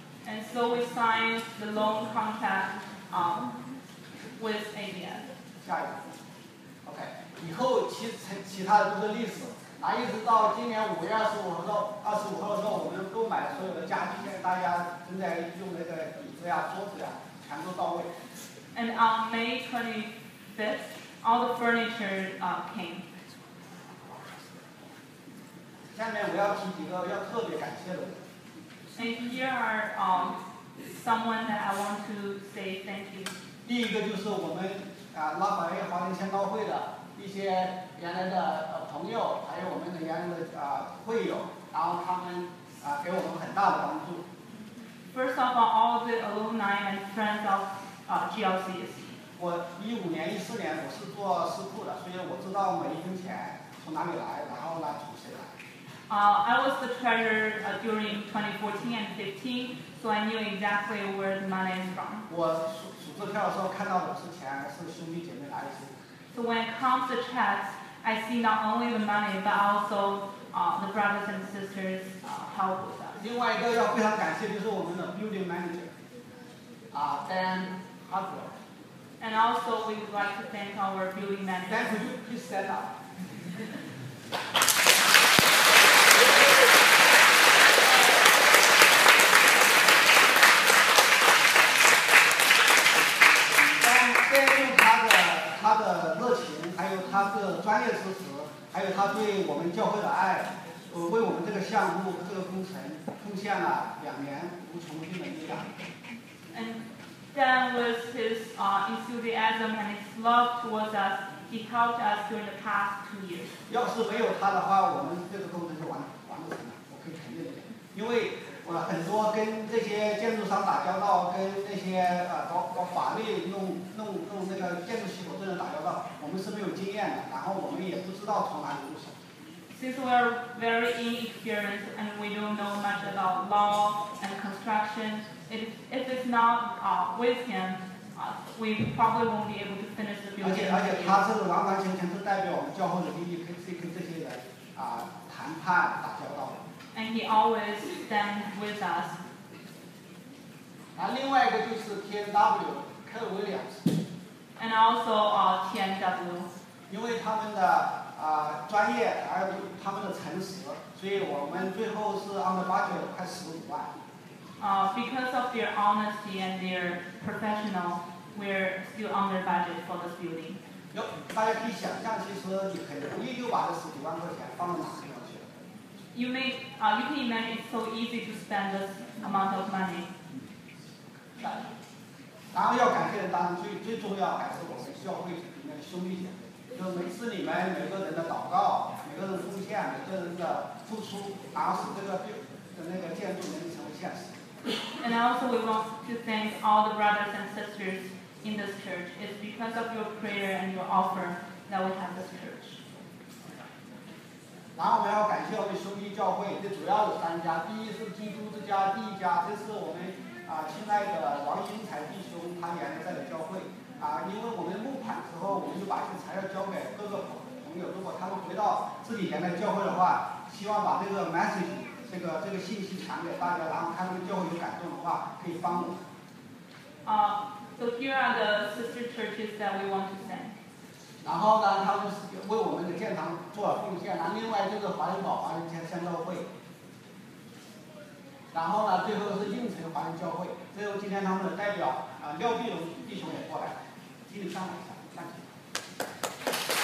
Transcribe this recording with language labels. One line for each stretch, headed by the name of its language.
English: And so we signed the loan contract with ABN.
Chinese: 下一个 ，OK， 以后其他的都是历史。那一直到今年5月25号的时候，我们购买所有的家具，现在大家正在用那个椅子呀、桌子呀，全都到位。
English: And on May 25th. All the furniture came.
Chinese: 下面我要提几个要特别感谢的。
English: And here are someone that I want to say thank you.
Chinese: 第一个就是我们拉法叶华林宣道会的一些原来的朋友，还有我们的原来的会友，然后他们给我们很大的帮助。
English: First of all the alumni and friends of GLCC.
Chinese: 我2015年、2014年我是做师库的，所以我知道每一分钱从哪里来，然后呢从谁来。
English: I was the treasurer during 2014 and 2015, so I knew exactly where the money is from.
Chinese: 我数支票的时候看到的是钱，是兄弟姐妹来的。
English: So when it comes to checks, I see not only the money, but also the brothers and sisters help with that.
Chinese: 另外一个要非常感谢就是我们的 building manager, Dan Hardwell.
English: And also we would like to thank our building manager. Dan, could you please stand up?
Chinese: Dan, 对于他的热情，还有他的专业知识，还有他对我们教会的爱，为我们这个项目和这个工程贡献了2年无穷尽的力量。
English: And Dan, with his enthusiasm and his love towards us, he helped us during the past 2 years.
Chinese: 要是没有他的话，我们这个工程是完不成的，我可以肯定的。因为我很多跟这些建筑商打交道，跟那些搞法律弄那个建筑系统的人打交道，我们是没有经验的，然后我们也不知道从哪里入手。
English: Since we are very inexperienced and we don't know much about law and construction, if it's not with him, we probably won't be able to finish the building.
Chinese: 而且他是完完全全是代表我们教会的利益，可以跟这些人谈判打交道。
English: And he always stands with us.
Chinese: 另外一个就是 TNW, Ken Williams.
English: And also TNW.
Chinese: 因为他们的专业而他们的诚实，所以我们最后是按照budget快15万。
English: Because of their honesty and their professional, we're still under budget for this building.
Chinese: 大家可以想象，其实你很容易就把这10几万块钱放到哪里去了。
English: You can imagine it's so easy to spend this amount of money.
Chinese: 然后要感谢人，当然最重要还是我们教会里面的兄弟姐妹。就每次你们每个人的祷告，每个人奉献，每个人的付出，然后使这个建筑能成为现实。
English: And also we want to thank all the brothers and sisters in this church. It's because of your prayer and your offer that we have this church.
Chinese: 然后我们要感谢我们兄弟教会，这主要有3家，第一是基督之家，第一家，这是我们亲爱的王新才弟兄，他原来在的教会。因为我们募款之后，我们就把这个材料交给各个朋友，如果他们回到自己原来教会的话，希望把这个 message 这个信息传给大家，然后他们教会有感动的话可以帮我。
English: So here are the sister churches that we want to send.
Chinese: 然后呢他们为我们的建堂做了贡献，然后另外就是华人堡华人宣道会，然后呢最后是应城华人教会，最后今天他们的代表廖碧荣弟兄也过来，请你上来一下，站起